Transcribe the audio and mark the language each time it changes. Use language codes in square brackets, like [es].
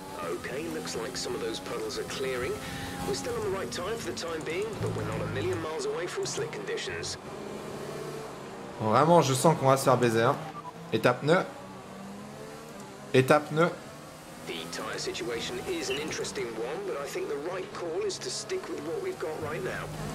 [en] Okay, looks like some of those puddles are clearing. We're still on the right tire for the time being, but we're not a million miles away from slick conditions. [fr] Vraiment, je sens qu'on va se faire baiser. Hein. Étape pneu. Étape pneu. [en] The tire situation is an interesting one, but I think the right call is to stick with what we've got right now.